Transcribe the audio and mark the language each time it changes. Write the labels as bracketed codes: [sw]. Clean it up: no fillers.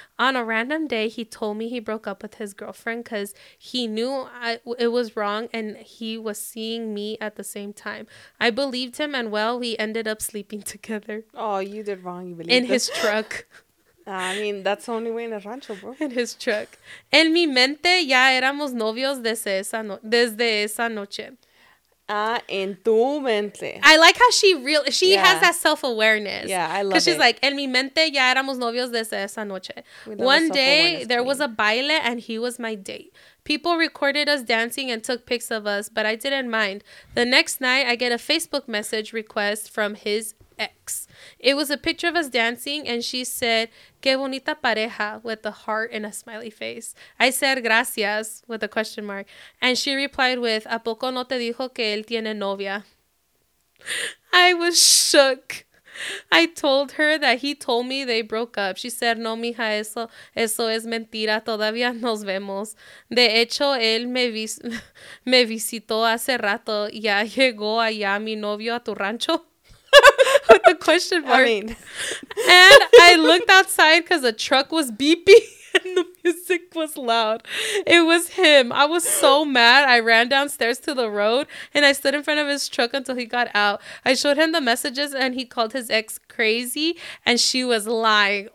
[en] On a random day, he told me he broke up with his girlfriend because he knew it was wrong and he was seeing me at the same time. I believed him and, well, we ended up sleeping together. Oh, you did wrong. You believed in this. His truck. I mean, that's the only way in a rancho, bro. In his truck. [es] En mi mente ya éramos novios desde esa noche. En tu mente. [en] I like how she has that self-awareness. Yeah, I love it. Because she's like, [es] en mi mente ya éramos novios desde esa noche. [en] One day, there was a baile and he was my date. People recorded us dancing and took pics of us, but I didn't mind. The next night, I get a Facebook message request from his ex. It was a picture of us dancing and she said, [es] qué bonita pareja, [en] with a heart and a smiley face. I said, gracias, with a question mark. And she replied with, [es] ¿a poco no te dijo que él tiene novia? [en] I was shook. I told her that he told me they broke up. She said, [es] no, mija, eso es mentira. Todavía nos vemos. De hecho, él me visitó hace rato. Ya llegó allá mi novio a tu rancho. [en] With the question mark. I mean. And I looked outside because a truck was beeping and the music was loud. It was him. I was so mad. I ran downstairs to the road and I stood in front of his truck until he got out. I showed him the messages and he called his ex crazy and she was lying.